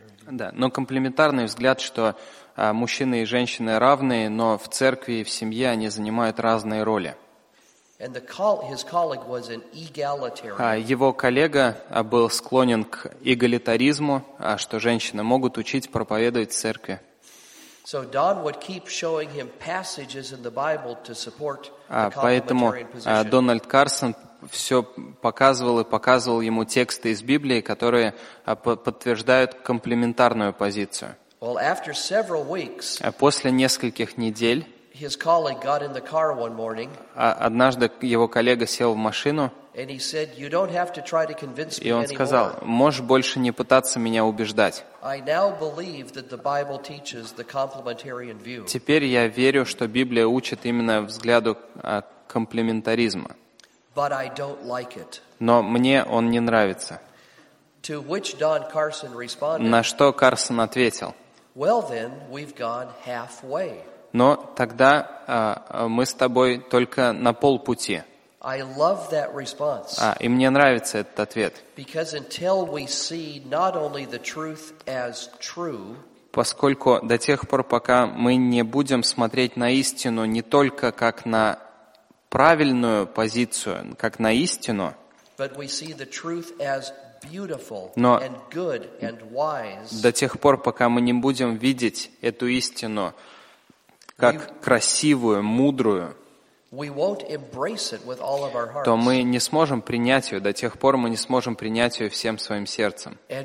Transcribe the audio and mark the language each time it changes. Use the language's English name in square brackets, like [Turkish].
[Russian] Да, но комплементарный взгляд, что мужчины и женщины равны, но в церкви и в семье они занимают разные роли. [English] And his colleague was an egalitarian. [Russian] Его коллега был склонен к эгалитаризму, что женщины могут учить, проповедовать в церкви. [English] So Don would keep showing him passages in the Bible to support the complementarian position. [Russian] Поэтому Дональд Карсон все показывал и показывал ему тексты из Библии, которые подтверждают комплементарную позицию. [English] Well, after several weeks, [Russian] после нескольких недель, [English] his colleague got in the car one morning. [Russian] Однажды его коллега сел в машину. [English] And he said, "You don't have to try to convince me anymore." [Russian] И он сказал: "Можешь больше не пытаться меня убеждать." [English] I now believe that the Bible teaches the complementarian view. [Russian] Теперь я верю, что Библия учит именно взгляду комплементаризма. [English] But I don't like it. [Russian] Но мне он не нравится. [English] To which Don Carson responded. [Russian] На что Карсон ответил: [English] "Well, then we've gone halfway." [Russian] Но тогда мы с тобой только на полпути. [English] I love that response. [Russian] И мне нравится этот ответ. [English] Because until we see not only the truth as true, [Russian] поскольку до тех пор, пока мы не будем смотреть на истину не только как на правильную позицию, как на истину, [English] but we see the truth as beautiful, [Russian] но [English] and good and wise, [Russian] до тех пор, пока мы не будем видеть эту истину как красивую, мудрую, то мы не сможем принять ее, до тех пор мы не сможем принять ее всем своим сердцем.